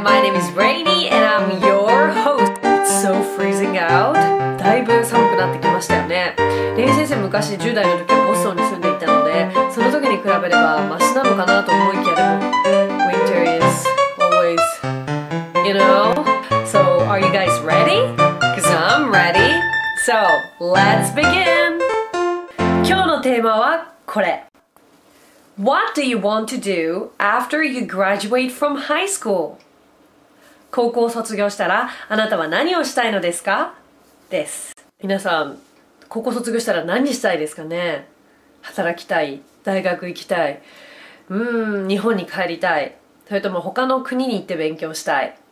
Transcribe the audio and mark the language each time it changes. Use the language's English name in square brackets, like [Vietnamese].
[English] My name is Reiny and I'm your host. It's so freezing out. [Japanese] だいぶ寒くなってきましたよね。レイニー先生、昔10代の時はボストンに住んでいたので、その時に比べればマシなのかなと思いきやでも、 [English] Winter is always, you know? So, are you guys ready? Because I'm ready. So, let's begin! [Japanese] 今日のテーマはこれ。 [English] What do you want to do after you graduate from high school? [Japanese] 高校を卒業したらあなたは何をしたいのですか?です。皆さん、高校卒業したら何したいですかね?働きたい?大学行きたい? 日本に帰りたい?それとも他の国に行って勉強したい?